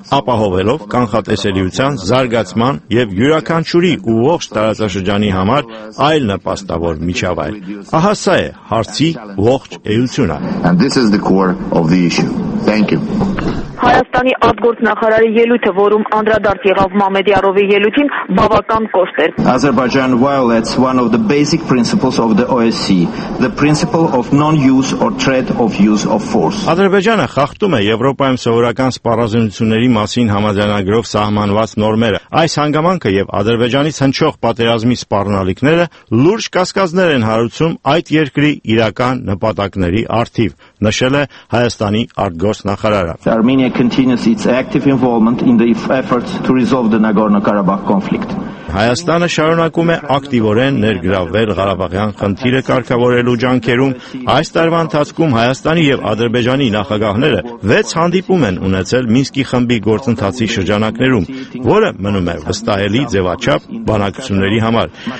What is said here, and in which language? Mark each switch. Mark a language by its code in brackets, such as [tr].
[hy] ապահովելով կանխատեսելիության զարգացման եւ յուրաքանչյուրի ու ողջ տարածաշրջանի համար այլ նպաստավոր միջավայր։ Ահա սա է հարցի ողջ էությունը։ Հայաստանի ազգործնախարարի ելույթը, որում անդրադարձ եղավ Մամեդի Արովի ելույթին, բավական կոշտ էր։ [en] Azerbaijan violates one of the basic principles of the OSCE, the principle of non-use or threat of use of force. [hy] Ադրբեջանը խախտում է Եվրոպայում սովորական սպառազինությունների մասին համաձայնագրով սահմանված նորմերը։ Այս հանգամանքը եւ Ադրբեջանից հնչող պատերազմի սպառնալիքները լուրջ կասկածներ են հարուցում այդ երկրի իրական նպատակների արդիվ, նշել է Հայաստանի արտգործնախարարը։ [en] Armenia continues its active involvement in the efforts to resolve the Nagorno-Karabakh conflict. [hy] Հայաստանը շարունակում է ակտիվորեն ներգրավվել Ղարաբաղյան խնդիրը կարգավորելու ջանքերում։ Այս տարվա ընթացքում Հայաստանի եւ Ադրբեջանի նախագահները 6 հանդիպում են ունեցել Մինսկի խմբի գործընթացի շրջանակներում, որը մնում է վստահելի ձևաչափ բանակցությունների համար։